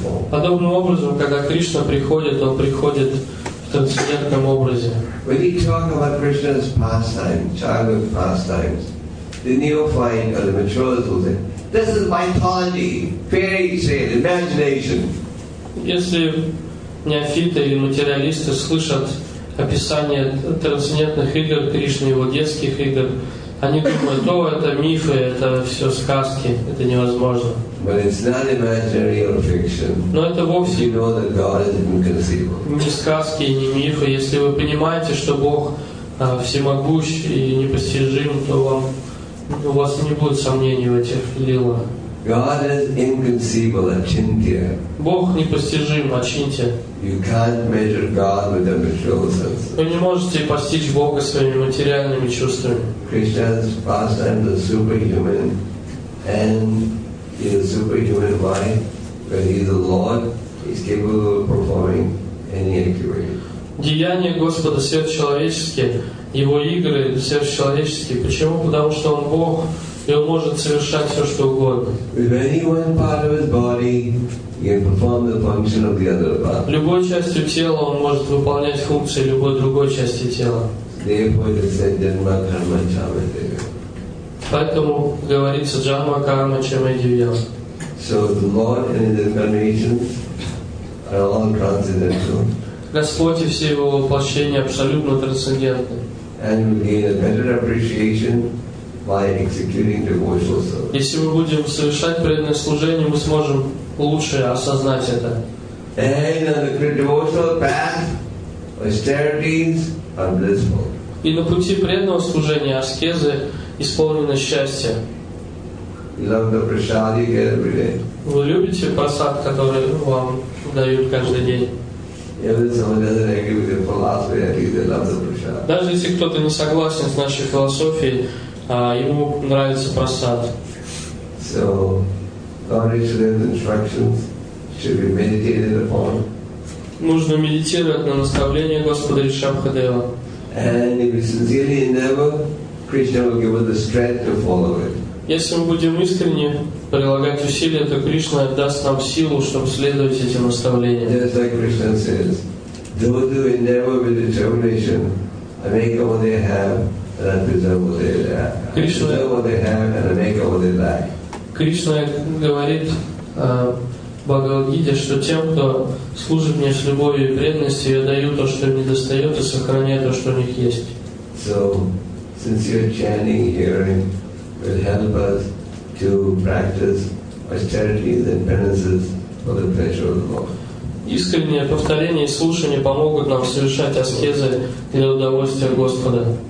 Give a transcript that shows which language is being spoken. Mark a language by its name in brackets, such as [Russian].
[Russian] Подобным образом, когда Кришна приходит, он приходит [English] when you talk about Krishna's pastimes, childhood pastimes, the neophyte or the matures will say, this is mythology, fairy tale, imagination. [Russian] Если неофиты или материалисты слышат описание трансцендентных игр Кришны, его детских игр, они думают, о, это мифы, это все сказки, это невозможно. [English] But it's not imaginary or fiction. [Russian] Но это вовсе [English] you know that God is inconceivable. [Russian] Не сказки, не мифы. Если вы понимаете, что Бог всемогущ и непостижим, то у вас не будет сомнений в этих лилах. [English] God is inconceivable, Achintya. [Russian] Бог непостижим, Ачинтия. [English] You can't measure God with the material senses. [Russian] Вы не можете постичь Бога своими материальными чувствами. [English] Krishna's pastime is superhuman, and he is a superhuman body, but he is the Lord. He's capable of performing any activity. [Russian] Деяния Господа сверхчеловеческие, его игры сверхчеловеческие. Почему? Потому что он Бог, и он может совершать все, что угодно. [English] With any one part of his body, he can perform the function of the other part. [Russian] Любой частью тела он может выполнять функции любой другой части тела. [English] Therefore, it is said, [Sanskrit] Janma Karma Charmya Devyam. [Russian] Поэтому говорится [Sanskrit] Janma Karma Charmya Devyam. [English] So the Lord and his incarnations are all transcendental. [Russian] Господь и все его воплощения абсолютно трансцендентны. [English] And we gain a better appreciation by executing devotional service. [Russian] Если мы будем совершать преданное служение, мы сможем лучше осознать это. И на пути преданного служения аскезы исполнены счастья. [English] You love the prasad you get every day. [Russian] Вы любите просад, который вам дают каждый день. [English] Even if someone doesn't agree with your philosophy, at least they love the prasad. [Russian] Даже если кто-то не согласен с нашей философией, ему нравится просад. [English] So, God Vishnu's instructions should be meditated upon. [Russian] Нужно медитировать на наставление Господа Ришабхадева. [English] And if we sincerely endeavor, Krishna will give us the strength to follow it. [Russian] Если мы будем искренне прилагать усилия, то Кришна даст нам силу, чтобы следовать этим наставлениям. [English] Just like Krishna says, do do endeavor with determination. I make what they have and I preserve what they lack. I preserve what they have and I make what they lack. [Russian] Кришна говорит Бхагавад-гите, что тем, кто служит мне с любовью и преданностью, я даю то, что им недостает, и сохраняю то, что у них есть. [English] So, sincere chanting, hearing will help us to practice austerities and penances for the pleasure of the Lord. [Russian] Искреннее повторение и слушание помогут нам совершать аскезы для удовольствия Господа.